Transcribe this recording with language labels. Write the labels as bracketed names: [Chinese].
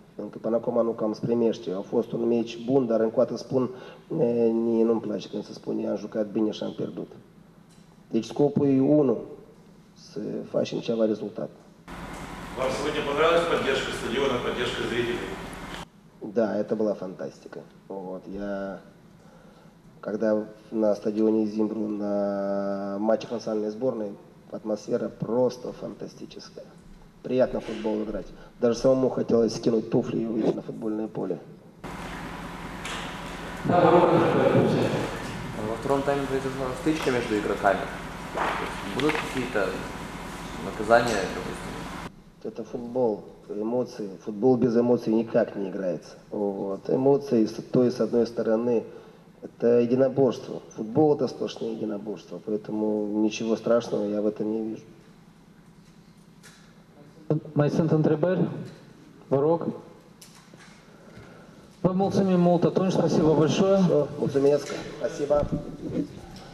[Romanian] Pentru că până acum nu cam se primește. A fost un meci bun, dar încoată spun, nu-mi place când se spune am jucat bine și am pierdut. Deci scopul e unul, să facem ceva rezultat. [Russian] Вам сегодня понравилась поддержка стадиона, поддержка зрителей? Да, это была фантастика. Вот, я, когда на стадионе Зимбру, на матчах национальной сборной, атмосфера просто фантастическая. Приятно в футбол играть. Даже самому хотелось скинуть туфли и выйти на футбольное поле. Во втором тайме произошла стычка между игроками. Будут какие-то наказания, допустим? Это футбол. Эмоции. Футбол без эмоций никак не играется. Вот. Эмоции с той и с одной стороны. Это единоборство. Футбол – это сплошное единоборство. Поэтому ничего страшного я в этом не вижу. [Romanian] Mai sunt întrebări? Vă rog. Vă mulțumim mult atunci. [Russian] Спасибо большое. [Romanian] Mulțumesc. [Russian] Спасибо.